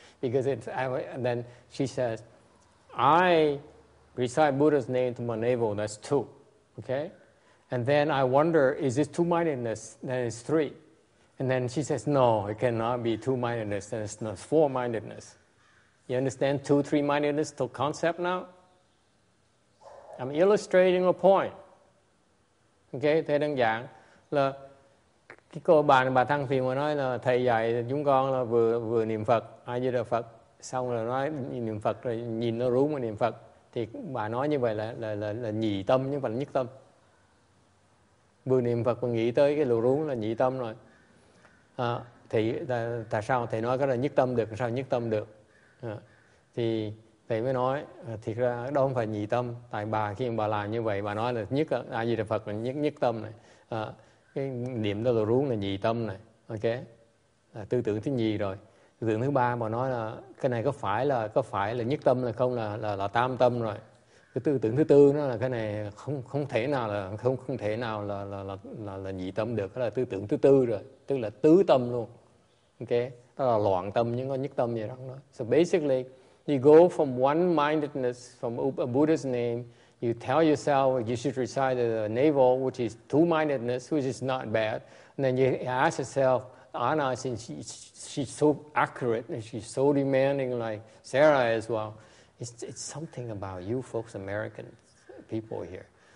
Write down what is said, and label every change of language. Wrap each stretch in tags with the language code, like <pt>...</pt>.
<en>Because it's, and then she says, I recite Buddha's name to my navel, that's two, okay? And then I wonder, is this two-mindedness? Then it's three. And then she says, no, it cannot be two-mindedness. Then it's four-mindedness. You understand two, three-mindedness to concept now? I'm illustrating a point.</en> <vi>Okay, thầy đơn giản là cái cô bà này, bà Thăng Phiền mà nói là thầy dạy chúng con là vừa niệm Phật, A Di Đà Phật, xong rồi nói niệm Phật rồi nhìn nó rúng mà niệm Phật, thì bà nói như vậy là nhị tâm nhưng mà là nhất tâm. Vừa niệm Phật mà nghĩ tới cái lỗ rúng là nhị tâm rồi. À, thì tại sao thầy nói cái là nhất tâm được, sao nhất tâm được? À, thì thầy mới nói thiệt ra đó không phải nhị tâm, tại bà khi mà bà làm như vậy bà nói là nhất A Di Đà Phật là nhất tâm này, à, cái niệm đó là rúng là nhị tâm này, ok, à, tư tưởng thứ nhì rồi, tư tưởng thứ ba bà nói là cái này có phải là nhất tâm là không là tam tâm rồi, cái tư tưởng thứ tư nó là cái này không thể nào là nhị tâm được, đó là tư tưởng thứ tư rồi, tức là tứ tâm luôn, ok, đó là loạn tâm nhưng có nhất tâm gì đó.</vi> <en>So basically you go from one-mindedness, from a Buddha's name, you tell yourself you should recite the navel, which is two-mindedness, which is not bad. And then you ask yourself, Anna, since she's so accurate and she's so demanding, like Sarah as well, it's something about you folks, American people here.</en>